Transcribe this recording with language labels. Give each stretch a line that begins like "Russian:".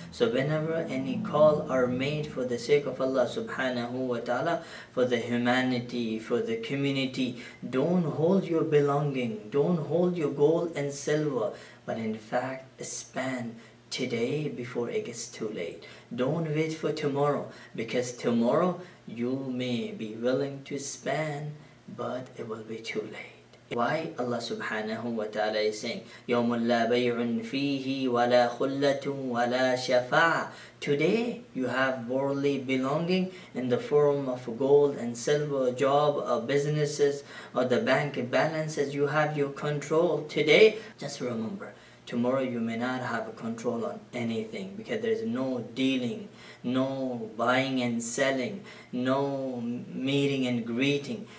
English: So whenever any call are made for the sake of Allah subhanahu wa ta'ala, for the humanity, for the community, don't hold your belonging, don't hold your gold and silver, but in fact spend today before it gets too late. Don't wait for tomorrow, because tomorrow you may be willing to spend, but it will be too late. Why? Allah subhanahu wa ta'ala is saying,
Arabic: يَوْمٌ لَا بَيْعٌ فِيهِ وَلَا خُلَّةٌ وَلَا شَفَاعٌ.
English: Today, you have worldly belonging in the form of gold and silver, job or businesses, or the bank balances, you have your control. Today, just remember, tomorrow you may not have a control on anything because there is no dealing, no buying and selling, no meeting and greeting.